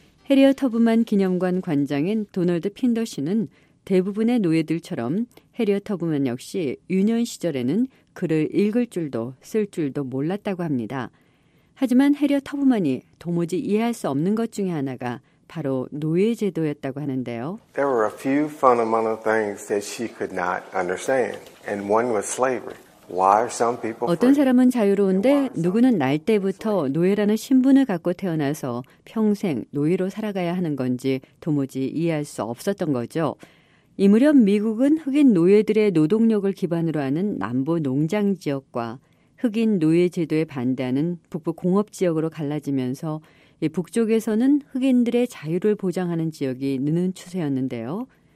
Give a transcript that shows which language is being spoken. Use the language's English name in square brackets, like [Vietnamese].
[Korean] 해리엇 터브먼 기념관 관장인 도널드 핀더 씨는 대부분의 노예들처럼 해리엇 터브먼 역시 유년 시절에는 글을 읽을 줄도 쓸 줄도 몰랐다고 합니다. 하지만 해리엇 터브먼이 도무지 이해할 수 없는 것 중에 하나가 바로 노예 제도였다고 하는데요. [English] There were a few fundamental things that she could not understand. And one was slavery. Why are some people [Korean] 어떤 사람은 자유로운데 누구는 날 때부터 노예라는 신분을 갖고 태어나서 평생 노예로 살아가야 하는 건지 도무지 이해할 수 없었던 거죠. 이 무렵 미국은 흑인 노예들의 노동력을 기반으로 하는 남부 농장 지역과 흑인 노예 제도에 반대하는 북부 공업 지역으로 갈라지면서 이 북쪽에서는 흑인들의 자유를 보장하는 지역이 느는 추세였는데요.